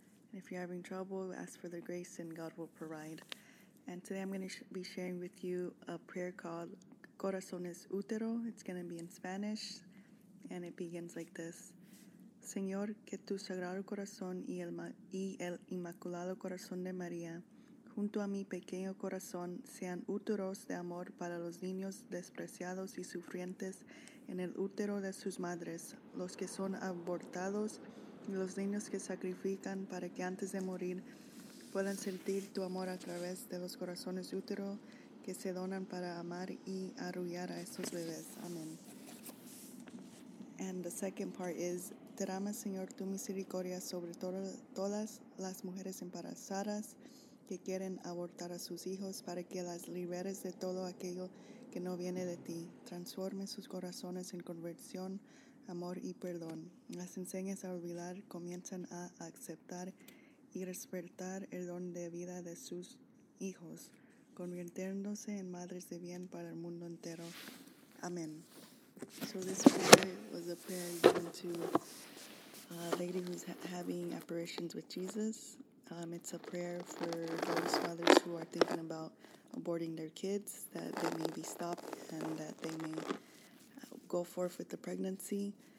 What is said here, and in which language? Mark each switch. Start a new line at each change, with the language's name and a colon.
English: And if you're having trouble, ask for the grace and God will provide. And today I'm going to be sharing with you a prayer called Corazones, útero. It's going to be in Spanish and it begins like this.
Spanish: Señor, que tu sagrado corazón y el inmaculado corazón de María junto a mi pequeño corazón sean úteros de amor para los niños despreciados y sufrientes en el útero de sus madres, los que son abortados y los niños que sacrifican para que antes de morir puedan sentir tu amor a través de los corazones útero que se donan para amar y arrullar a estos bebés. Amén.
English: And the second part is,
Spanish: derrama, Señor, tu misericordia sobre todas las mujeres embarazadas que quieren abortar a sus hijos para que las liberes de todo aquello que no viene de ti. Transforme sus corazones en conversión, amor y perdón. Las enseñes a olvidar, comienzan a aceptar y despertar el don de vida de sus hijos, convirtiéndose en madres de bien para el mundo entero. Amén.
English: So this prayer was a prayer given to a lady who's having apparitions with Jesus. It's a prayer for those mothers who are thinking about aborting their kids, that they may be stopped and that they may go forth with the pregnancy.